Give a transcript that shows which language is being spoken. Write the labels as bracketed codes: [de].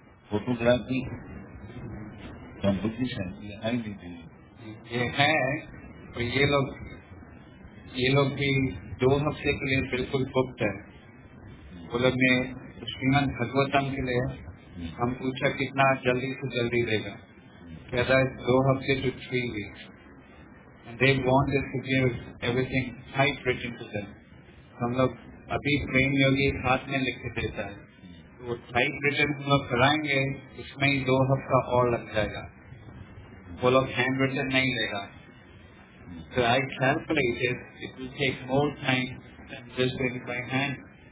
[en] photography from British and behind it. [hi] ये है तो ये लोग भी दो हफ्ते के लिए बिल्कुल बुक्ड है. वो लोग ने श्रीमद भगवतम के लिए हम पूछा कितना जल्दी से जल्दी देगा, कहता है दो हफ्ते [en] Two three weeks. And they wanted to give everything type written to them. [hi] हम लोग अभी प्रेम योगी हाथ में लिख के देता है, वो टाइप रिटन हम लोग कराएंगे उसमें ही दो हफ्ता और लग जाएगा. [en] Full of handwritten [hi] nahi lega. [en] So I calculated it will take more time than just doing it by hand.